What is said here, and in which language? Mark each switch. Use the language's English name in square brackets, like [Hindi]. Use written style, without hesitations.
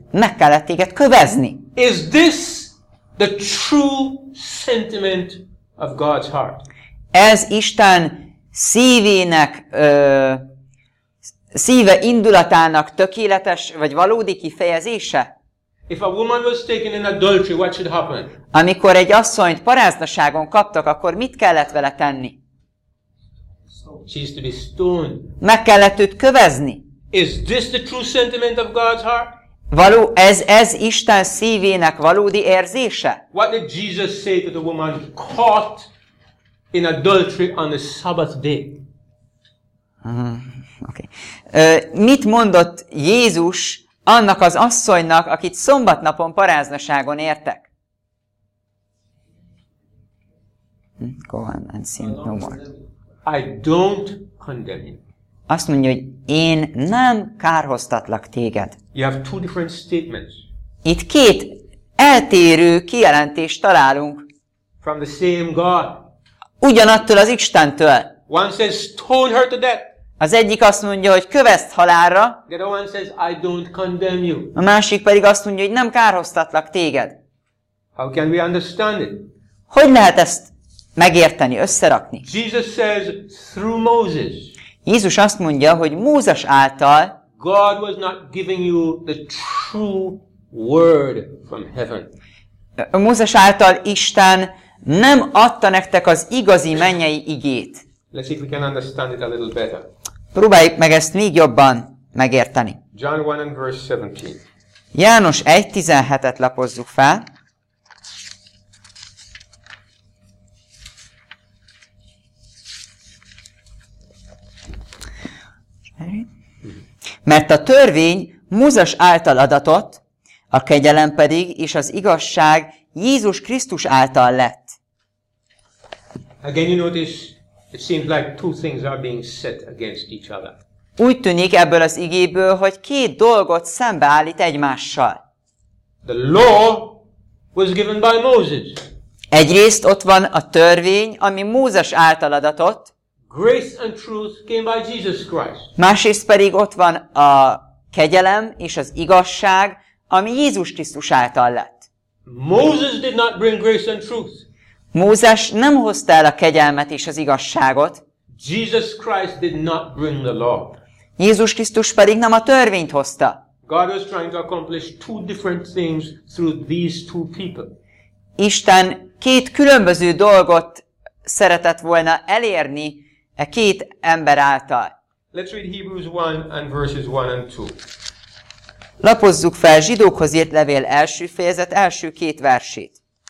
[Hungarian] Meg kellett téged kövezni. [English] Is this the true sentiment of God's heart? [Hungarian] Ez Isten szívének, szíve indulatának tökéletes vagy valódi kifejezése? [English] If a woman was taken in adultery, what should happen? [Hungarian] Amikor egy asszonyt paráznaságon kaptak, akkor mit kellett vele tenni? [English] She is to be stoned. [Hungarian] Meg kellett őt kövezni. [English] Is this the true sentiment of God's heart? [Hungarian] Való, ez Isten szívének valódi érzése? [English] What did Jesus say to the woman caught in adultery on the Sabbath day? Okay. [Hungarian] Mit mondott Jézus annak az asszonynak, akit szombatnapon paráznaságon értek? [English] Go on and sin no more. I don't condemn you. [Hungarian] Azt mondja, hogy én nem kárhoztatlak téged. [English] You have two different statements. [Hungarian] Itt két eltérő kijelentést találunk. [English] From the same God. [Hungarian] Ugyanattól az Istentől. [English] One says, stone her to death. [Hungarian] Az egyik azt mondja, hogy kövesd halálra. [English] The other one says, I don't condemn you. [Hungarian] A másik pedig azt mondja, hogy nem kárhoztatlak téged. [English] How can we understand it? [Hungarian] Hogy lehet ezt megérteni, összerakni? [English] Jesus says, through Moses. [Hungarian] Jézus azt mondja, hogy Mózes által [English] God was not giving you the true word from heaven. [Hungarian] Mózes által Isten nem adta nektek az igazi mennyei igét. [English] Let's see if we can understand it a little better. [Hungarian] Próbáljuk meg ezt még jobban megérteni. [English] John 1 and verse 17. [Hungarian] János 1:17-et lapozzuk fel. Mert a törvény Mózes által adatott, a kegyelem pedig és az igazság Jézus Krisztus által lett. [English] Again you notice, it seems like two things are being set against each other. [Hungarian] Úgy tűnik ebből az igéből, hogy két dolgot szembeállít egymással. [English] The law was given by Moses. [Hungarian] Egyrészt ott van a törvény, ami Mózes által adatott. [English] Grace and truth came by Jesus Christ. [Hungarian] Másrészt pedig ott van a kegyelem és az igazság, ami Jézus Krisztus által lett. [English] Moses did not bring grace and truth. [Hungarian] Mózes nem hozta el a kegyelmet és az igazságot. [English] Jesus Christ did not bring the law. [Hungarian] Jézus Krisztus pedig nem a törvényt hozta. [English] God was trying to accomplish two different things through these two people. [Hungarian] Isten két különböző dolgot szeretett volna elérni e két ember által. [English] Let's read Hebrews 1 and verses 1 and 2. [Hungarian] Lapozzuk fel Zsidókhoz írt levél első fejezet első két versét.